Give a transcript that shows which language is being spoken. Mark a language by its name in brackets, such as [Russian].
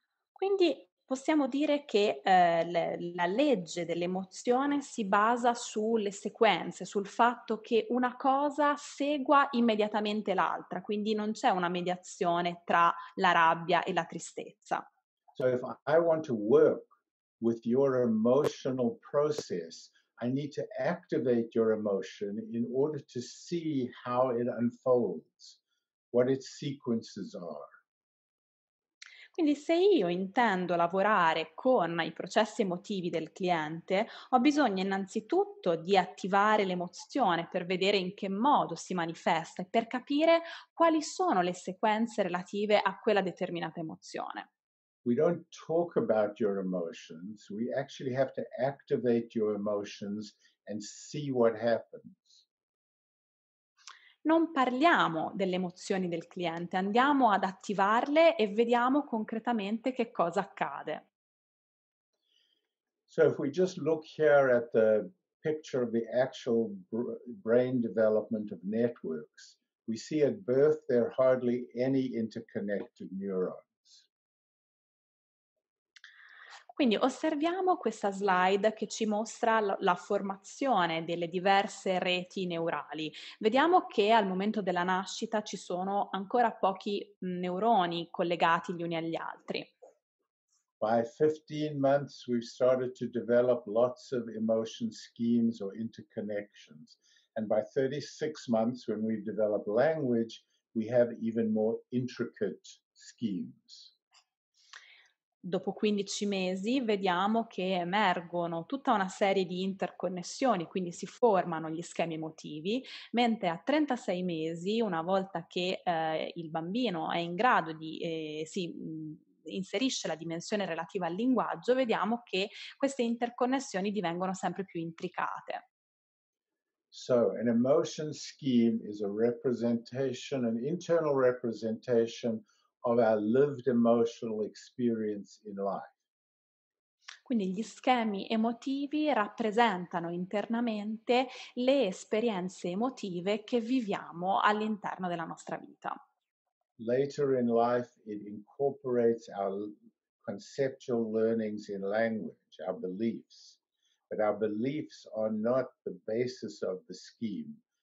[Italian] Quindi possiamo dire che la legge dell'emozione si basa sulle sequenze, sul fatto che una cosa segua immediatamente l'altra, quindi non c'è una mediazione tra la rabbia e la tristezza. [English] So if I want to work with your emotional process, I need to activate your emotion in order to see how it unfolds, what its sequences are. [Italian] Quindi se io intendo lavorare con i processi emotivi del cliente, ho bisogno innanzitutto di attivare l'emozione per vedere in che modo si manifesta e per capire quali sono le sequenze relative a quella determinata emozione. [English] We don't talk about your emotions, we actually have to activate your emotions and see what happens. [Italian] Non parliamo delle emozioni del cliente, andiamo ad attivarle e vediamo concretamente che cosa accade. [English] So if we just look here at the picture of the actual brain development of networks, we see at birth there are hardly any interconnected neurons. [Italian] Quindi osserviamo questa slide che ci mostra la formazione delle diverse reti neurali. Vediamo che al momento della nascita ci sono ancora pochi neuroni collegati gli uni agli altri. [English] By 15 months we've started to develop lots of emotion schemes or interconnections. And by 36 months when we develop language, we have even more intricate schemes. [Italian] Dopo 15 mesi vediamo che emergono tutta una serie di interconnessioni, quindi si formano gli schemi emotivi, mentre a 36 mesi, una volta che il bambino è in grado di inserisce la dimensione relativa al linguaggio, vediamo che queste interconnessioni divengono sempre più intricate. [English] So, an emotion scheme is a representation, an internal representation of our lived emotional experience in life. [Italian] Quindi gli schemi emotivi rappresentano internamente le esperienze emotive che viviamo all'interno della nostra vita. [English] Later in life, it incorporates our conceptual learnings in language, our beliefs. But our beliefs are not the basis of the scheme.